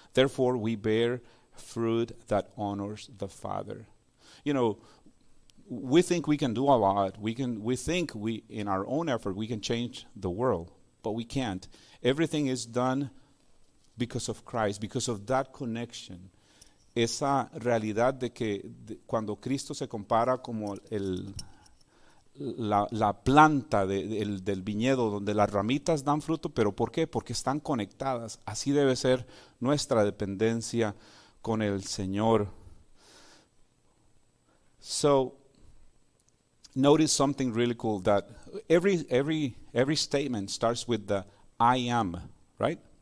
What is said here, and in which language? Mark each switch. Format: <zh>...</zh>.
<en>Therefore, we bear fruit that honors the Father. You know, we think we can do a lot. We think in our own effort, we can change the world, but we can't. Everything is done because of Christ, because of that connection.</en> <es>Esa realidad de que cuando Cristo se compara como la planta del viñedo, donde las ramitas dan fruto, pero ¿por qué? Porque están conectadas. Así debe ser nuestra dependencia con el Señor.</es> <en>So, notice something really cool, that every statement starts with the I am, right?</en>